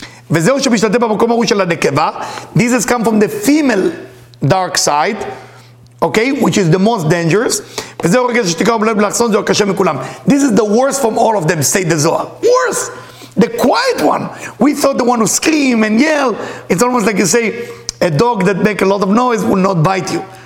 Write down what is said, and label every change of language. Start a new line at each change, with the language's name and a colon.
Hebrew: וזהו שמשתתה במקום הראש של הנקבה.
English: This has come from the female dark side. Okay? Which is the most dangerous.
Hebrew: וזהו רוגז השתיקה ובלב לחסון, זהו הקשה מכולם.
English: This is the worst from all of them, say the Zohar. Worst! The quiet one. We thought the one who scream and yell. It's almost like you say, a dog that make a lot of noise will not bite you.